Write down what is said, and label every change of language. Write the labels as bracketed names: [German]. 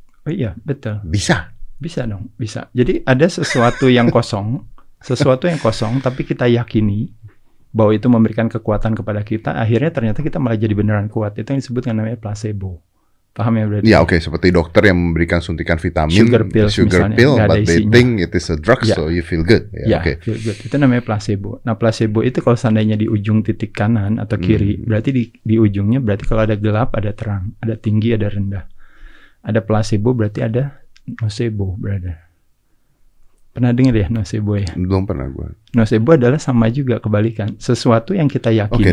[Indonesian] Oh iya, betul. Bisa. Bisa dong, bisa. Jadi ada sesuatu yang kosong, sesuatu yang kosong tapi kita yakini bahwa itu memberikan kekuatan kepada kita, akhirnya ternyata kita malah jadi beneran kuat. Itu yang disebut dengan namanya placebo. Paham ya berarti? Ya oke, okay. Seperti dokter yang memberikan suntikan vitamin, [English] sugar pill, but they think it is a drug, yeah. So you feel good. Ya, yeah, okay. Feel good. [Indonesian] Itu namanya placebo. Nah placebo itu kalau seandainya di ujung titik kanan atau kiri, berarti di ujungnya, berarti kalau ada gelap, ada terang, ada tinggi, ada rendah. Ada placebo berarti ada nocebo, brother. Pernah dengar ya nocebo ya? Belum pernah gue. Nocebo adalah sama juga kebalikan. Sesuatu yang kita yakini.